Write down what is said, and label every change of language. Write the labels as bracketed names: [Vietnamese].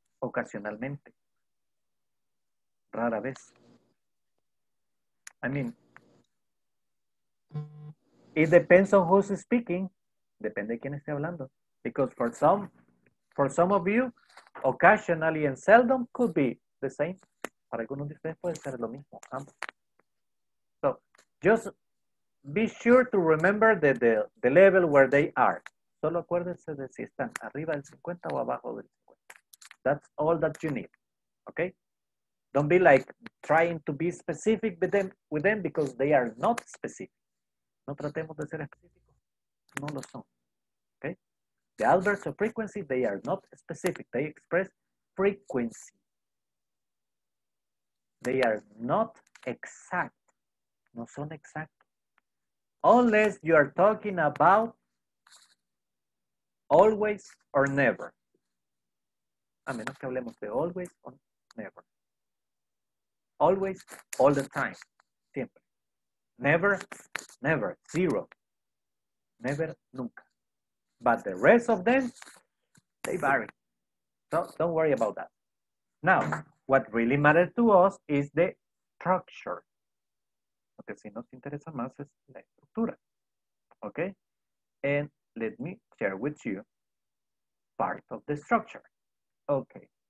[Spanish] Ocasionalmente, rara vez. [English] I mean, it depends on who's speaking, [Spanish] depende de quién esté hablando, [English] because for some of you, occasionally and seldom could be the same. [Spanish] Para algunos de ustedes puede ser lo mismo, ambos. [English] So, just be sure to remember the level where they are. [Spanish] Solo acuérdense de si están arriba del 50 o abajo del 50. [English] That's all that you need. Okay? Don't be like trying to be specific with them because they are not specific. [Spanish] No tratemos de ser específicos. No lo son. Okay? [English] The adverbs of frequency, they are not specific. They express frequency. They are not exact. [Spanish] No son exact. [English] Unless you are talking about always or never. [Spanish] A menos que hablemos de always or never. [English] Always, all the time. [Spanish] Siempre. [English] Never, never. Zero. Never, nunca. But the rest of them, they vary. So don't worry about that. Now, what really matters to us is the structure. [Spanish] que sí nos interesa más es la estructura. [English] Okay? And let me share with you part of the structure. Okay.